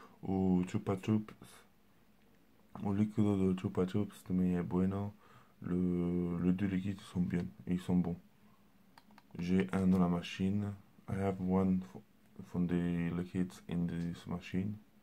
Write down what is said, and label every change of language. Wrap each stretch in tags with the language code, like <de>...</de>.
<pt>O chupa chups, o líquido do chupa chups também é bueno.</pt> <fr>Les deux liquides sont bien, ils sont bons. J'ai un dans la machine.</fr> <en>I have one from the liquids in this machine.</en>